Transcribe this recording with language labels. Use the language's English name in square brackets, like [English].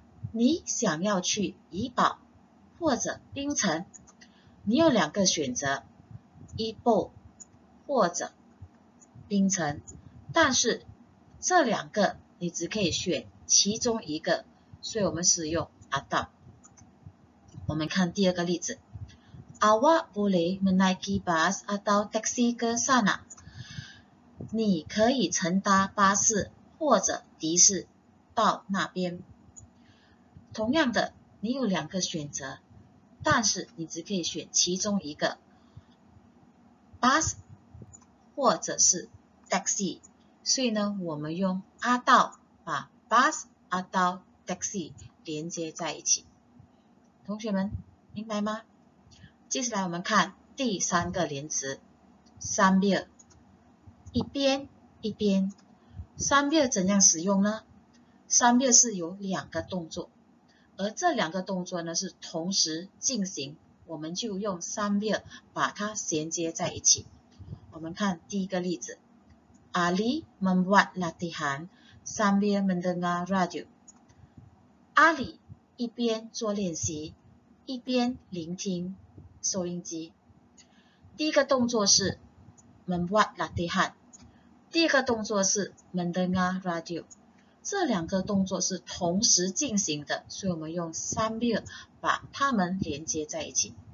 [Chinese] 你想要去怡保或者槟城？你有两个选择 ，Ipoh 或者槟城，但是这两个你只可以选其中一个，所以我们使用 atau。我们看第二个例子 [Malay] ，Awak boleh menaiki bus atau taksi ke sana。 [Chinese] 你可以乘搭巴士或者的士到那边。同样的，你有两个选择，但是你只可以选其中一个 ，bus 或者是 taxi。所以呢，我们用 atau 把 bus、atau、taxi 连接在一起。同学们，明白吗？接下来我们看第三个连词 ，sambil。一边一边 ，sambil 怎样使用呢 ？sambil 是有两个动作，而这两个动作呢是同时进行，我们就用 sambil 把它衔接在一起。我们看第一个例子 [Malay] ，Ali membuat latihan sambil mendengar radio。 [Chinese] 阿里一边做练习，一边聆听收音机。第一个动作是 [Malay] membuat latihan。 [Chinese] 第一个动作是 [Malay] mendengar radio， [Chinese] 这两个动作是同时进行的，所以我们用 sambil 把它们连接在一起。